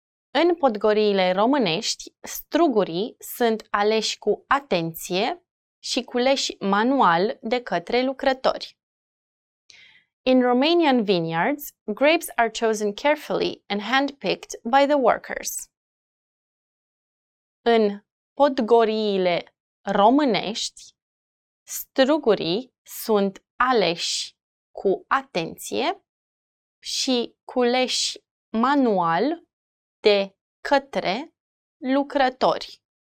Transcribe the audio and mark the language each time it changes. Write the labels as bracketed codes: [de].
[ro] În podgoriile românești, strugurii sunt aleși cu atenție și culeși manual de către lucrători. [en] In Romanian vineyards, grapes are chosen carefully and handpicked by the workers. [ro] În podgoriile românești, strugurii sunt aleși cu atenție și culeși manual de către lucrători.